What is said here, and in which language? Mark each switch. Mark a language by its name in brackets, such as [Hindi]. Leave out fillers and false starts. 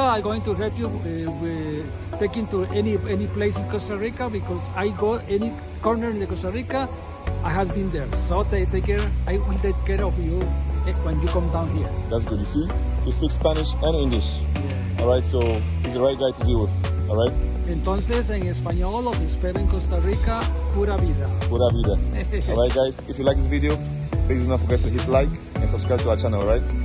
[English] I'm going to help you taking to any place in Costa Rica, because I go any corner in Costa Rica, I have been there. So I will take care of you when you come down here. That's good. You see, he speaks Spanish and English. Yeah. All right, so he's the right guy to deal with. All right. [Spanish] Entonces, en español, los espero en Costa Rica, pura vida. Pura vida. [English] All right, guys, if you like this video, please do not forget to hit like and subscribe to our channel, all right?